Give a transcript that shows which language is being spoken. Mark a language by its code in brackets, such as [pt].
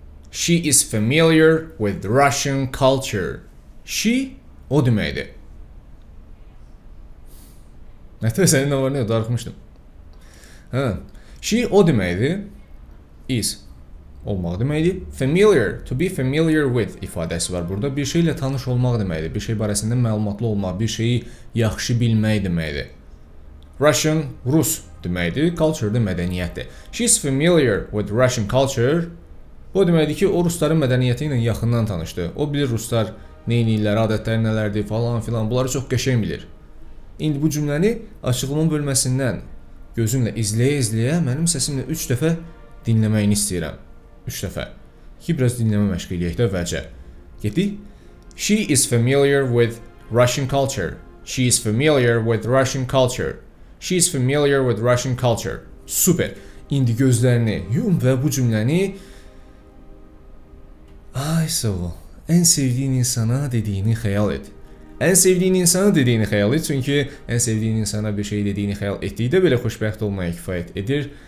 [en] She is familiar with Russian culture. [az] She, o deməkdir. Nətəbə sənin nə var, nə yox, darıxmışdım. She, o deməkdir. Is, olmaq deməkdir. Familiar, [en] to be familiar with [az] ifadəsi var burada. Bir şeylə tanış olmaq deməkdir. Bir şey barəsində məlumatlı olmaq, bir şeyi yaxşı bilmək deməkdir. Russian, Rus deməkdir. Culture de mədəniyyətdir. [en] She is familiar with Russian culture. [az] Bu deməkdir ki, o rusların mədəniyyəti ilə yaxından tanışdı. O bilir ruslar neyniyirlər, adətləri nələrdir, falan filan. Bunları çox qəşəm bilir. İndi bu cümləni açıqlama bölməsindən gözümlə izləyə-izləyə mənim səsimlə 3 dəfə dinləməyini istəyirəm. 3 dəfə. Ki, biraz dinləmə məşq eləyək də vəcə. Gedik. [en] She is familiar with Russian culture. She is familiar with Russian culture. She is familiar with Russian culture. [az] Super. İndi gözlərini yum və bu cümləni ay, sağ ol. Ən sevdiyin insana dediyini xəyal et. Ən sevdiyin insana dediyini xəyal et. Çünki ən sevdiyin insana bir şey dediyini xəyal etdiyi də belə xoşbəxt olmaya kifayət edir.